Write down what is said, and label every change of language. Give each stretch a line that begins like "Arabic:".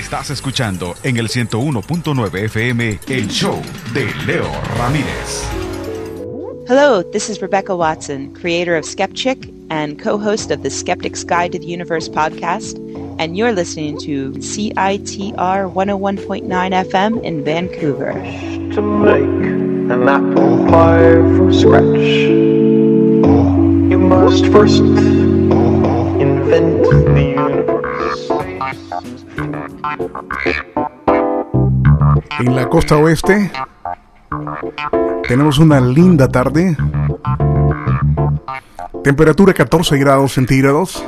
Spanish: Escuchando en el 101.9 FM el show de Leo Ramírez.
English: Hello, this is Rebecca Watson, creator of Skeptic and co-host of the Skeptic's Guide to the Universe podcast, and you're listening to CITR 101.9 FM in Vancouver. To make an apple pie from scratch, you must first invent the
Spanish: En la costa oeste tenemos una linda tarde. Temperatura 14 grados centígrados.